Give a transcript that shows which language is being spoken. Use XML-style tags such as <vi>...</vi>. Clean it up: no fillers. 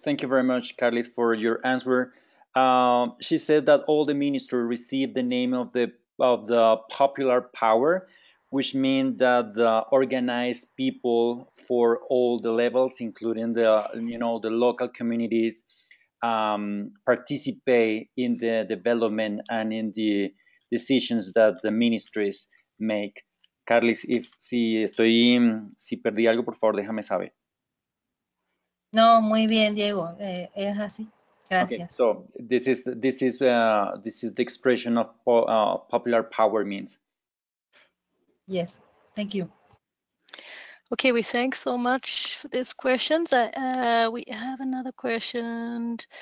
<en>Thank you very much, Carlos, for your answer. She said that all the ministers received the name of the popular power, which means that the organized people for all the levels, including the, you know, the local communities, participate in the development and in the decisions that the ministries make.</en> <es>Carlos, si perdí algo, por favor, déjame saber. No, muy bien, Diego. Es así. Gracias.</es> <en>Okay, so this is the expression of popular power means. Yes, thank you. Okay, we thank so much for these questions. We have another question.</en>